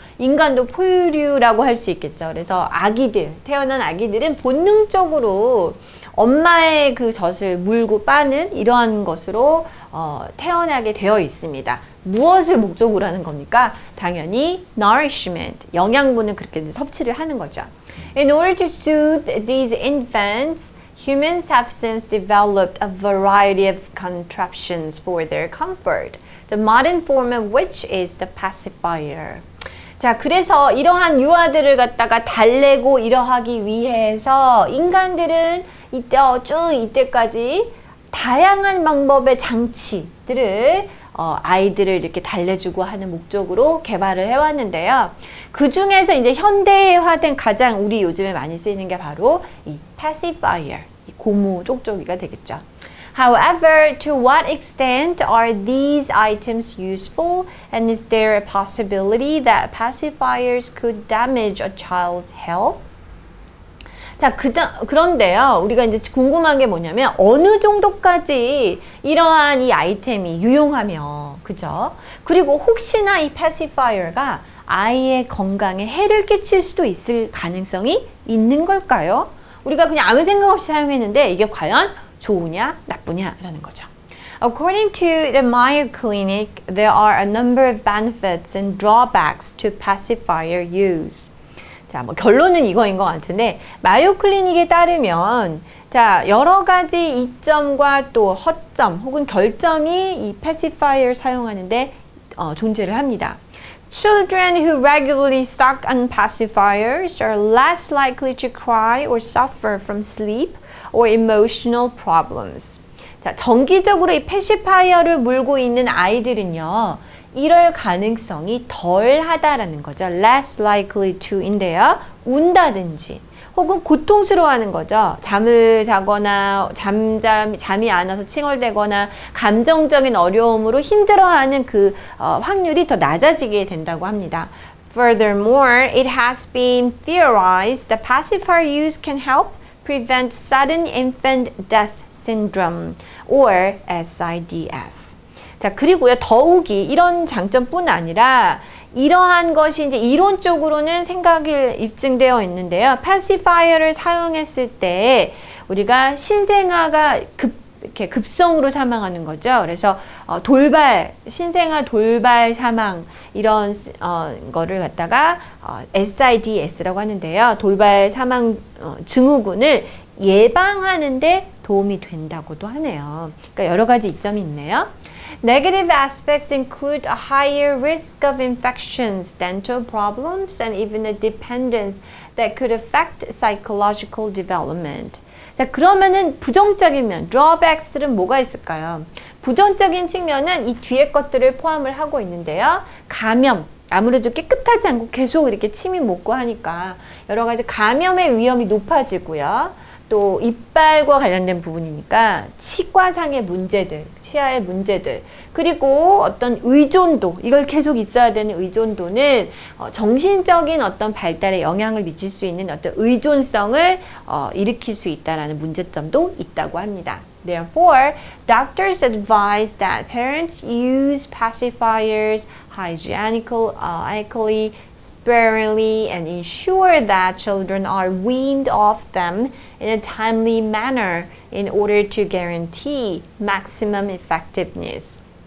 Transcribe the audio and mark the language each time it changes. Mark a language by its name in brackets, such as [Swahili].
[Korean] 인간도 포유류라고 할 수 있겠죠. 그래서 아기들, 태어난 아기들은 본능적으로 엄마의 그 젖을 물고 빠는 이러한 것으로 태어나게 되어 있습니다. 무엇을 목적으로 하는 겁니까? 당연히 nourishment, 영양분을 그렇게 섭취를 하는 거죠. [English] In order to soothe these infants, humans have since developed a variety of contraptions for their comfort, the modern form of which is the pacifier. [Korean] 자, 그래서 이러한 유아들을 갖다가 달래고 이러하기 위해서 인간들은 이때까지 다양한 방법의 장치들을 아이들을 이렇게 달래주고 하는 목적으로 개발을 해왔는데요. 그 중에서 이제 현대화된 가장 우리 요즘에 많이 쓰이는 게 바로 이 pacifier, 이 고무 쪽쪽이가 되겠죠. [English] However, to what extent are these items useful and is there a possibility that pacifiers could damage a child's health? [Korean] 자, 그런데요, 우리가 이제 궁금한 게 뭐냐면, 어느 정도까지 이러한 이 아이템이 유용하며, 그죠? 그리고 혹시나 이 pacifier가 아이의 건강에 해를 끼칠 수도 있을 가능성이 있는 걸까요? 우리가 그냥 아무 생각 없이 사용했는데, 이게 과연 좋으냐, 나쁘냐, 라는 거죠. [English] According to the Mayo Clinic, there are a number of benefits and drawbacks to pacifier use. [Korean] 자, 뭐 결론은 이거인 것 같은데 마요 클리닉에 따르면 자 여러 가지 이점과 또 허점 혹은 결점이 이 패시파이어 사용하는데 존재를 합니다. [English] Children who regularly suck on pacifiers are less likely to cry or suffer from sleep or emotional problems. [Korean] 자, 정기적으로 이 패시파이어를 물고 있는 아이들은요. 이럴 가능성이 덜하다라는 거죠. [English] less likely to [Korean] 인데요. 운다든지 혹은 고통스러워하는 거죠. 잠을 자거나 잠이 안 와서 칭얼대거나 감정적인 어려움으로 힘들어하는 그 확률이 더 낮아지게 된다고 합니다. [English] Furthermore, it has been theorized that pacifier use can help prevent sudden infant death syndrome or SIDS. [Korean] 자, 그리고요, 더욱이 이런 장점뿐 아니라 이러한 것이 이제 이론적으로는 생각이 입증되어 있는데요. 패시파이어를 사용했을 때 우리가 신생아가 이렇게 급성으로 사망하는 거죠. 그래서 신생아 돌발 사망 이런 거를 갖다가 SIDS라고 하는데요. 돌발 사망 증후군을 예방하는데 도움이 된다고도 하네요. 그러니까 여러 가지 이점이 있네요. [English] Negative aspects include a higher risk of infections, dental problems, and even a dependence that could affect psychological development. [Korean] 자, 그러면은 부정적인 면, drawbacks는 뭐가 있을까요? 부정적인 측면은 이 뒤에 것들을 포함을 하고 있는데요. 감염, 아무래도 깨끗하지 않고 계속 이렇게 침이 묻고 하니까 여러 가지 감염의 위험이 높아지고요. 또 이빨과 관련된 부분이니까 치과상의 문제들, 치아의 문제들, 그리고 어떤 의존도, 이걸 계속 있어야 되는 의존도는 정신적인 어떤 발달에 영향을 미칠 수 있는 어떤 의존성을 일으킬 수 있다는 문제점도 있다고 합니다. [English] Therefore, doctors advise that parents use pacifiers hygienically, sparingly and ensure that children are weaned off them in a timely manner in order to guarantee maximum effectiveness.